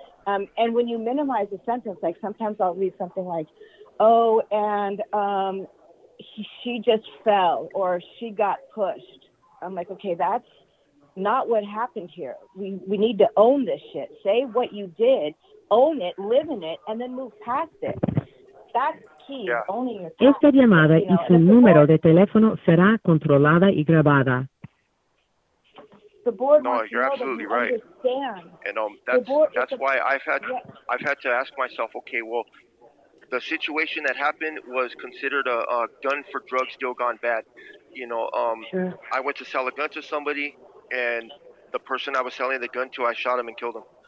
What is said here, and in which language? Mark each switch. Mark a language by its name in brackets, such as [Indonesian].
[English] And when you minimize a sentence, like sometimes I'll read something like, oh, and she just fell or she got pushed. I'm like, okay, that's not what happened here. We need to own this shit. Say what you did, own it, live in it, and then move past it. That's key, owning your past. [Spanish] Esta llamada, [English] you know, [Spanish] y su número de teléfono será controlada y grabada. [English] The board you're absolutely right. Understand. And I've had to ask myself, okay, well, the situation that happened was considered a gun for drugs deal gone bad. You know, I went to sell a gun to somebody, and the person I was selling the gun to, I shot him and killed him.